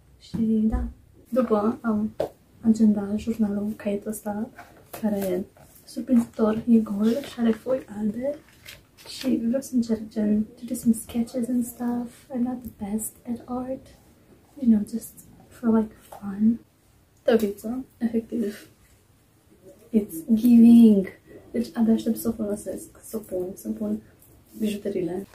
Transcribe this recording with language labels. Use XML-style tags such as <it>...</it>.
<ro>Și da, după am agenda, jurnalul, caietul ăsta care e surprinzător, e gol și are foi albe și vreau să încerc gen</ro> <en>to do some sketches and stuff. I'm not the best at art, you know, just for like fun. Tăbiță,</en> <ro>efectiv.</ro> <en>It's giving!</en> <ro>Deci abia aștept să o folosesc, să o pun, să-mi pun bijuterile.</ro>